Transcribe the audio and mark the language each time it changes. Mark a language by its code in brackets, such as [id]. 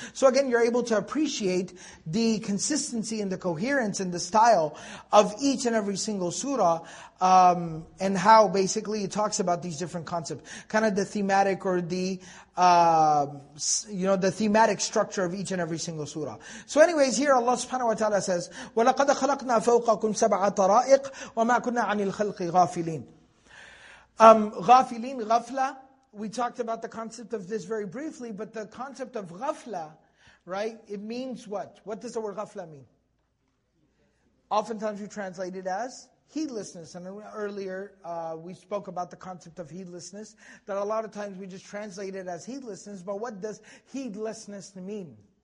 [en] So again, you're able to appreciate the consistency and the coherence and the style of each and every single surah, and how basically it talks about these different concepts. Kind of the thematic or the the thematic structure of each and every single surah. So anyways, here Allah subhanahu wa ta'ala says, [ar] وَلَقَدْ خَلَقْنَا فَوْقَكُمْ سَبْعَ طَرَائِقَ وَمَا كُنَّا عَنِ الْخَلْقِ غَافِلِينَ. [en] غافلين, غفلة, we talked about the concept of this very briefly, but the concept of غفلة, right, it means what? What does the word غفلة mean? Oftentimes we translate it as heedlessness. And earlier, we spoke about the concept of heedlessness, that a lot of times we just translate it as heedlessness, but what does heedlessness mean?